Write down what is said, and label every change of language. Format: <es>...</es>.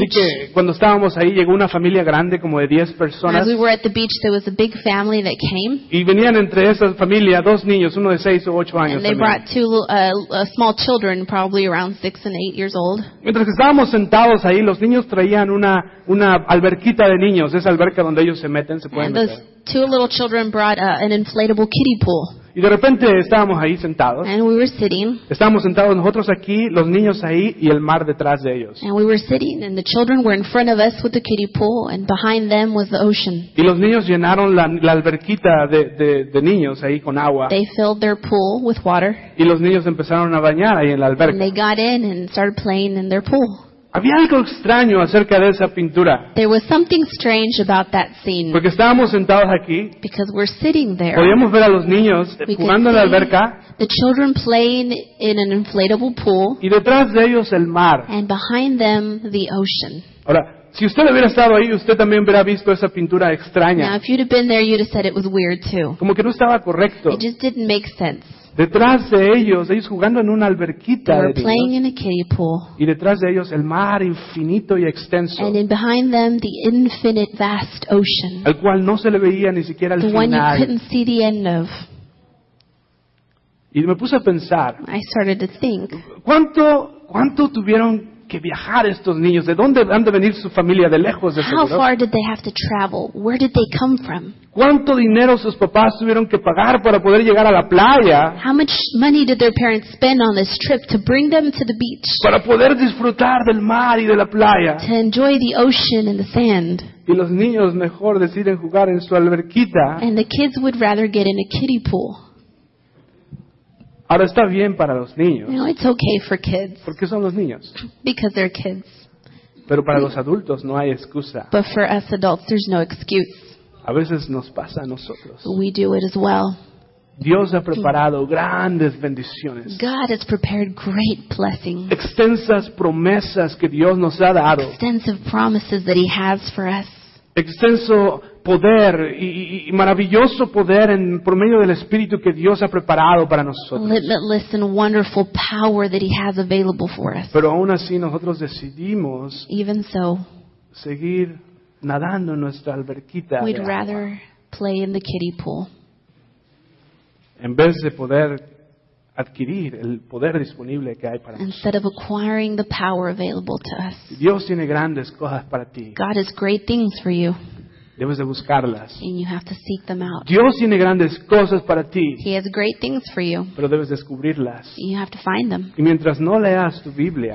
<es>Así que cuando estábamos ahí llegó una familia grande como de 10 personas.</es> <en>As we were at the beach, there was a big family that came.</en> <es>Y venían entre esa familia dos niños, uno de 6 o 8 años.</es> <en>And they brought two small children, probably around 6 and 8. Years old.</en> <es>Mientras estábamos sentados ahí, los niños traían una alberquita de niños, esa alberca donde ellos se meten, se pueden meter.</es> <en>two little children brought an inflatable kiddie pool.</en> <es>Y de repente estábamos ahí sentados.</es> <en>And we were sitting.</en> <es>Estábamos sentados nosotros aquí, los niños ahí y el mar detrás de ellos.</es> <en>And we were sitting and the children were in front of us with the kiddie pool and behind them was the ocean.</en> <es>Y los niños llenaron la alberquita de niños ahí con agua.</es> <en>They filled their pool with water.</en> <es>Y los niños empezaron a bañar ahí en la alberca.</es> <en>And they got in and started playing in their pool.</en> <es>Había algo extraño acerca de esa pintura.</es> <en>There was something strange about that scene.</en> <es>Porque estábamos sentados aquí.</es> <en>Because we're sitting there.</en> <es>Podíamos ver a los niños jugando en la alberca.</es> <en>The children playing in an inflatable pool.</en> <es>Y detrás de ellos el mar.</es> <en>And behind them the ocean.</en> <es>Ahora, si usted hubiera estado ahí, usted también hubiera visto esa pintura extraña.</es> <en>Now, if you'd have been there, you'd have said it was weird too.</en> <es>Como que no estaba correcto.</es> <en>It just didn't make sense.</en> <es>Detrás de ellos jugando en una alberquita</es> <en>de playing in a kiddie pool.</en> <es>Y detrás de ellos el mar infinito y extenso.</es> <en>And in behind them the infinite vast ocean.</en> <es>Al cual no se le veía ni siquiera el</es> <en>the</en> <es>final.</es> <en>One you couldn't see the end of.</en> <es>Y me puse a pensar.</es> <en>I started to think.</en> <es>¿Cuánto tuvieron que viajar estos niños? ¿De dónde han de venir su familia de lejos de seguro?</es> <en>How far did they have to travel? Where did they come from?</en> <es>¿Cuánto dinero sus papás tuvieron que pagar para poder llegar a la playa?</es> <en>How much money did their parents spend on this trip to bring them to the beach?</en> <es>Para poder disfrutar del mar y de la playa.</es> <en>To enjoy the ocean and the sand.</en> <es>Y los niños mejor deciden jugar en su alberquita.</es> <en>And the kids would rather get in a kiddie pool.</en> <es>Ahora está bien para los niños.</es> <en>No, it's okay for kids.</en> <es>¿Por qué son los niños?</es> <en>Because they're kids.</en> <es>Pero para los adultos no hay excusa.</es> <en>But for us adults, there's no excuse.</en> <es>A veces nos pasa a nosotros.</es> <en>We do it as well.</en> <es>Dios ha preparado grandes bendiciones.</es> <en>God has prepared great blessings.</en> <es>Extensas promesas que Dios nos ha dado.</es> <en>Extensive promises that He has for us.</en> <es>Extenso poder y maravilloso poder en por medio del Espíritu que Dios ha preparado para nosotros.</es> <en>Limitless and wonderful power that He has available for us.</en> <es>Pero aún así nosotros decidimos seguir nadando en nuestra alberquita.</es> <en>We'd rather play in the kiddie pool.</en> <es>En vez de poder adquirir el poder disponible que hay para</es> <en>instead of acquiring the power available to us.</en> <es>Dios tiene grandes cosas para ti.</es> <en>God has great things for you.</en> <es>Debes de buscarlas.</es> <en>And you have to seek them out.</en> <es>Dios tiene grandes cosas para ti.</es> <en>He has great things for you.</en> <es>Pero debes descubrirlas.</es> <en>You have to find them.</en> <es>Y mientras no leas tu Biblia.</es>